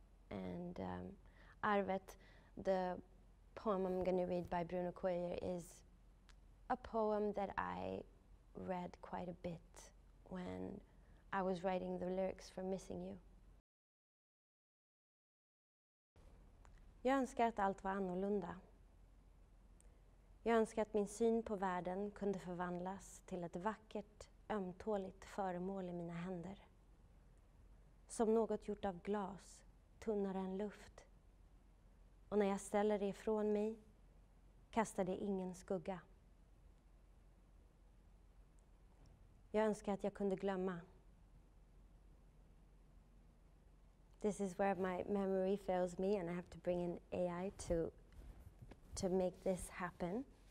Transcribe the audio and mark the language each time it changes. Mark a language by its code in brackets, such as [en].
[en] And Arvet, the poem I'm going to read by Bruno K, is a poem that I read quite a bit when I was writing the lyrics for Missing You. [sv] Jag önskar att allt var annorlunda. Jag önskar att min syn på världen kunde förvandlas till ett vackert, ömtåligt föremål i mina händer. Som något gjort av glas, tunnare än luft. Och när jag ställer det ifrån mig kastar det ingen skugga. Jag önskar att jag kunde glömma. [en] This is where my memory fails me and I have to bring in AI to make this happen.